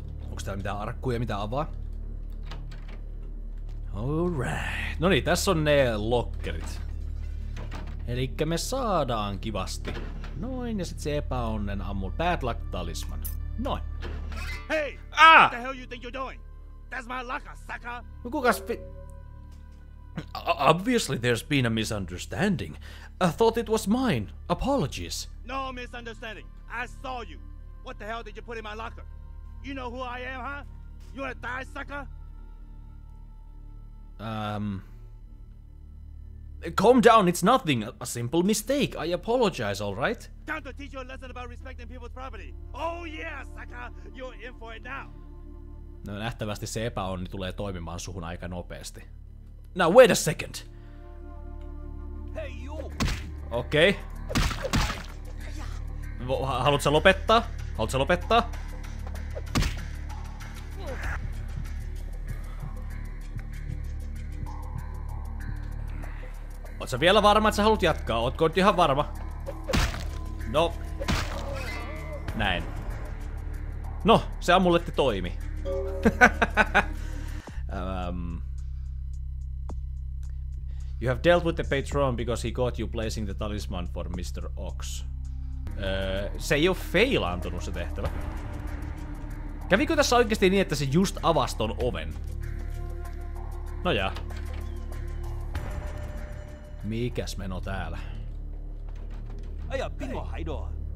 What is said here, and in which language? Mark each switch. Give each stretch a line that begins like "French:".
Finnish: Onks täällä mitään arkkuja, mitä avaa?
English: Alright.
Finnish: No niin, tässä on ne lockerit. Elikkä me saadaan kivasti. Noin, ja sit se epäonnen ammu.
English: Bad luck talisman. Noin. Hey! Ah! What the hell you think you're doing? That's my locker, sucker!
Finnish: No kukas fi...
English: Obviously there's been a misunderstanding. I thought it was mine. Apologies. No misunderstanding. I saw you. What the hell did you put in my locker? You know who I am, huh? You wanna die, sucker? Calm down, it's nothing. A simple mistake. I apologize, all right? Time to teach you a lesson about respecting people's property. Oh yeah, sucker! You're in for it now.
Finnish: No nähtävästi se epäonni tulee toimimaan suhun aika nopeasti.
English: Now, wait a second! Hey, you!
Finnish: Okei. Okay. Haluutko sä lopettaa? Ootsä vielä varma, että sä haluat jatkaa? Ootko nyt ihan varma? No. Näin. No, se amuletti toimi.
English: You have dealt with the patron because he got you placing the talisman for Mr. Ox.
Finnish: Se ei oo feilaantunut se tehtävä. Kävikö tässä oikeesti niin, että se just avasi ton oven? No jaa. Mikäs meno täällä? Aja, pingo haidoa.